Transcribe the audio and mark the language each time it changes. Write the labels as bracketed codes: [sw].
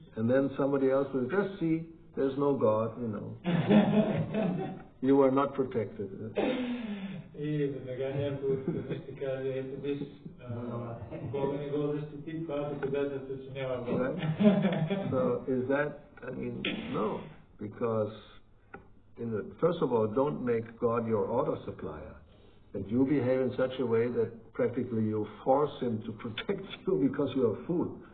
[en] And then somebody else will just see, there's no God, you know. You are not protected. [bg] И веднага някой ще каже, ето виж, [en] right? So is that, I mean, no, because in the, first of all, don't make God your auto supplier, that you behave in such a way that practically you force him to protect you because you are a fool.